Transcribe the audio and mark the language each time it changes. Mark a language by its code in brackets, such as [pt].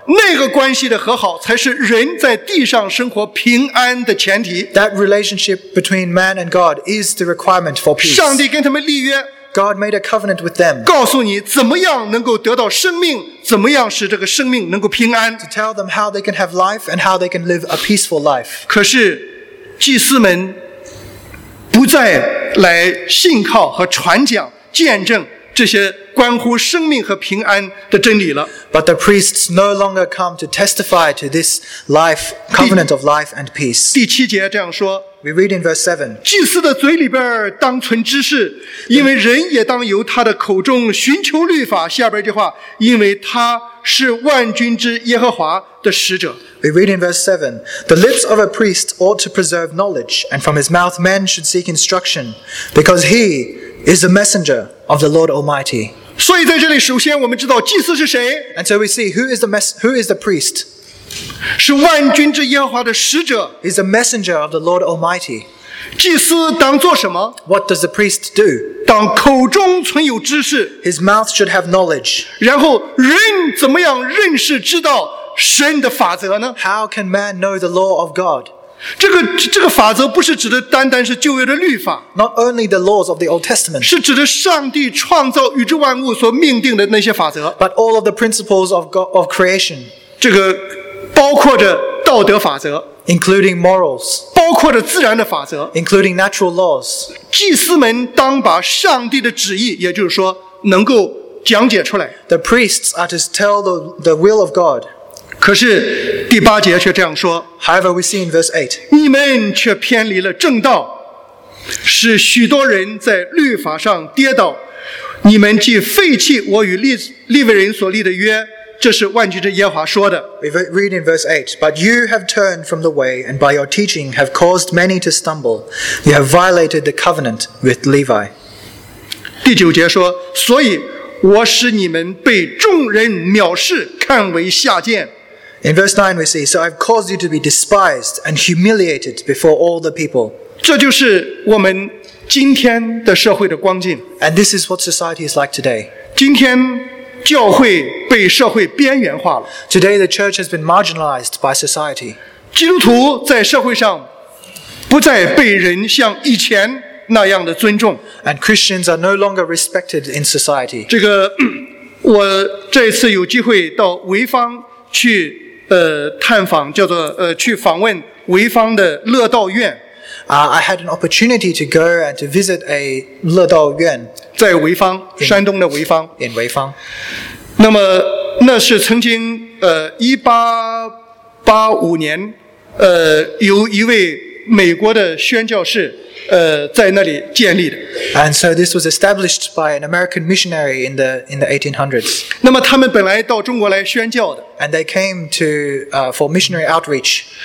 [zh] 那个关系的和好才是人在地上生活平安的前提 [en] That relationship between man and God is the requirement for peace. [zh] 上帝跟他们立约 [en] God made a covenant with them. [zh] 告诉你怎么样能够得到生命，怎么样使这个生命能够平安。 [en] To tell them how they can have life and how they can live a peaceful life. [zh] 可是祭司们不再来信靠和传讲见证这些关乎生命和平安的真理了。 [en] But the priests no longer come to testify to this life covenant of life and peace. [zh] 第七节这样说。 [en] We read in verse 7. [zh] 祭司的嘴里边当存知识，因为人也当由他的口中寻求律法。下边这话，因为他是万军之耶和华的使者。 [en] We read in verse 7. The lips of a priest ought to preserve knowledge, and from his mouth men should seek instruction, because he is the messenger of the Lord Almighty. [zh] 所以在这里，首先我们知道祭司是谁。 [en] And so we see who is the priest. [zh] 是万军之耶和华的使者 [en] is a messenger of the Lord Almighty. [zh] 祭司当做什么 [en] What does the priest do? [zh] 当口中存有知识 [en] His mouth should have knowledge. [zh] 然后人怎么样认识知道神的法则呢 [en] How can man know the law of God? [zh] 这个法则不是指的单单是旧约的律法 [en] Not only the laws of the Old Testament. [zh] 是指的上帝创造宇宙万物所命定的那些法则 [en] But all of the principles of God, of creation. [zh] 这个包括着道德法则 [en] including morals, [zh] 包括着自然的法则 [en] including natural laws. [zh] 祭司们当把上帝的旨意，也就是说，能够讲解出来。 [en] The priests are to tell the will of God. [zh] 可是第八节却这样说。 [en] However, we see in verse 8. [zh] 你们却偏离了正道，使许多人在律法上跌倒。你们既废弃我与利未人所立的约。这是万军之耶和华说的。 [en] We read in verse 8, But you have turned from the way, and by your teaching have caused many to stumble. You have violated the covenant with Levi. [zh] 第九节说，所以我使你们被众人藐视，看为下贱。 [en] In verse 9 we see, So I've caused you to be despised and humiliated before all the people. [zh] 这就是我们今天的社会的光景。 [en] And this is what society is like today. [zh] 今天教会被社会边缘化了。 [en] Today the church has been marginalized by society. [zh] 基督徒在社会上不再被人像以前那样的尊重。 [en] And Christians are no longer respected in society. [zh] 这个我这一次有机会到潍坊去探访，叫做去访问潍坊的乐道院。 [en] I had an opportunity to go and to visit a 乐道院 [zh] 在潍坊山东的潍坊 [en] in 潍坊 [zh] 那么那是曾经1885年由一位美国的宣教士在那里建立的 [en] and so this was established by an American missionary in the 1800s [zh] 那么他们本来到中国来宣教的 [en] and they came to for missionary outreach